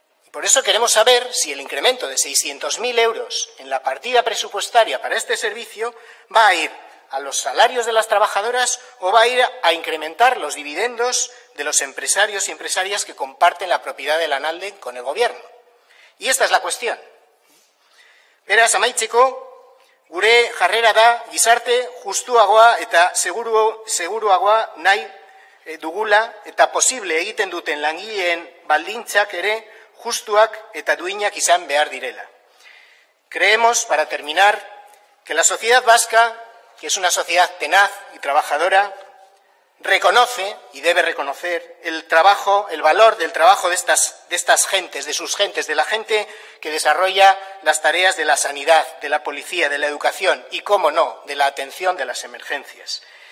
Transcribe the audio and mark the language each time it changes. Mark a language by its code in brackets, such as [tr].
[es] Por eso queremos saber si el incremento de 600.000 euros en la partida presupuestaria para este servicio va a ir a los salarios de las trabajadoras o va a ir a incrementar los dividendos de los empresarios y empresarias que comparten la propiedad de Lanalden con el Gobierno. Y esta es la cuestión. [eu] Beraz, amaitzeko, gure jarrera da gizarte justuagoa eta seguruagoa nahi dugula eta posible egiten duten langileen baldintzak ere justuak eta duinak izan behar direla. [es] Creemos, para terminar, que la sociedad vasca, que es una sociedad tenaz y trabajadora, reconoce y debe reconocer el trabajo, el valor del trabajo de estas gentes, de sus gentes, de la gente que desarrolla las tareas de la sanidad, de la policía, de la educación y, cómo no, de la atención de las emergencias.